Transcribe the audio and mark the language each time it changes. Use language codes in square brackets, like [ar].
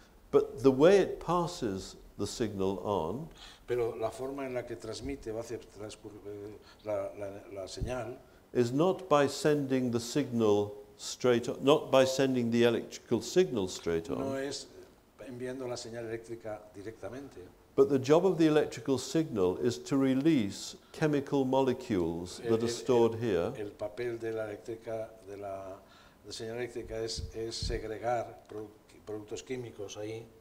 [en] But the way it passes the signal on. [es] Pero la forma en la que transmite va a hacer la señal. [en] Is not by sending the signal straight on, not by sending the electrical signal straight on. [es] No es enviando la señal eléctrica directamente. [en] But the job of the electrical signal is to release chemical molecules that are stored here. [es] El papel de la eléctrica de la señal eléctrica es segregar productos químicos ahí.